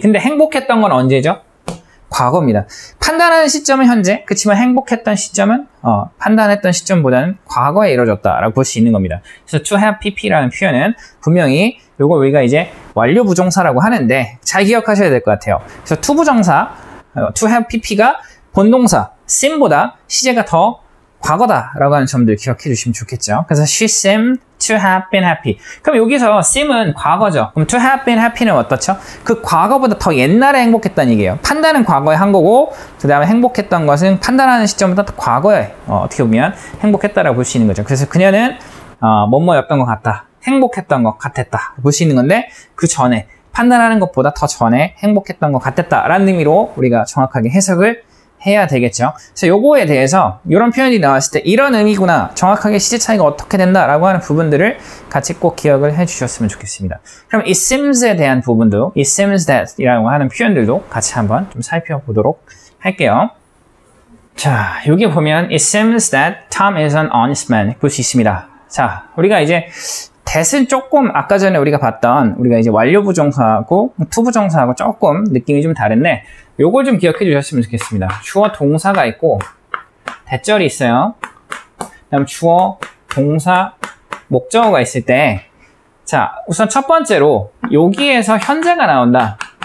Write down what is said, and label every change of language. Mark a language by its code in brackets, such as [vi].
[ko] 근데 행복했던 건 언제죠? 과거입니다. 판단하는 시점은 현재, 그렇지만 행복했던 시점은 판단했던 시점보다는 과거에 이루어졌다라고 볼 수 있는 겁니다. 그래서 to have pp라는 표현은 분명히 이걸 우리가 이제 완료 부정사라고 하는데 잘 기억하셔야 될 것 같아요. 그래서 to 부정사, to have pp가 본동사, seem보다 시제가 더 과거다라고 하는 점들 기억해 주시면 좋겠죠. 그래서 [en] she seemed to have been happy. [ko] 그럼 여기서 seem은 과거죠. 그럼 to have been happy는 어떻죠? 그 과거보다 더 옛날에 행복했다는 얘기예요. 판단은 과거에 한 거고 그 다음에 행복했던 것은 판단하는 시점보다 더 과거에 어떻게 보면 행복했다라고 볼 수 있는 거죠. 그래서 그녀는 뭐뭐였던 것 같다. 행복했던 것 같았다. 볼 수 있는 건데 그 전에 판단하는 것보다 더 전에 행복했던 것 같았다라는 의미로 우리가 정확하게 해석을 해야 되겠죠. 그래서 요거에 대해서 이런 표현이 나왔을 때 이런 의미구나, 정확하게 시제 차이가 어떻게 된다 라고 하는 부분들을 같이 꼭 기억을 해 주셨으면 좋겠습니다. 그럼 it seems에 대한 부분도, [en] it seems that [ko] 이라고 하는 표현들도 같이 한번 좀 살펴보도록 할게요. 자, 여기 보면 [en] it seems that Tom is an honest man [ko] 볼 수 있습니다. 자, 우리가 이제 that은 조금 아까 전에 우리가 봤던 우리가 이제 완료 부정사하고 to 부정사하고 조금 느낌이 좀 다른데 요걸 좀 기억해 주셨으면 좋겠습니다. 주어 동사가 있고 대절이 있어요. 그다음 주어 동사 목적어가 있을 때, 자, 우선 첫 번째로 여기에서 현재가 나온다.